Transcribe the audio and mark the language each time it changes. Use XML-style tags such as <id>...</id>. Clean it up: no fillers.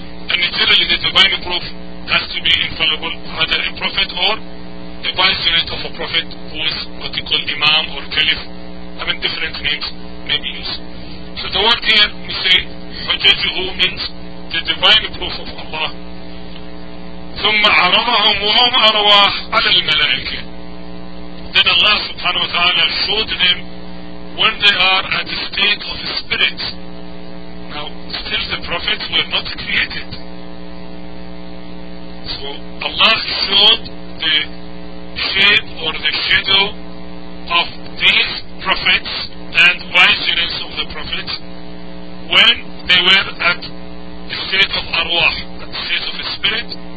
<en>And naturally, the divine proof has to be infallible, either a prophet or the vicegerent of a prophet, who is what you call Imam or Caliph. I mean, different names may be used. So the word here, we say, Hujjatuhu, means the divine proof of Allah.</en> <ar>ثم عرضهم وهم أرواح على الملائكة.</ar> <en>Then Allah subhanahu wa ta'ala showed them when they are at the state of spirit. Now, still the prophets were not created. So Allah showed the shape or the shadow of these prophets and vicegerents of the prophets when they were at the state of arwah, at the state of spirit.</en>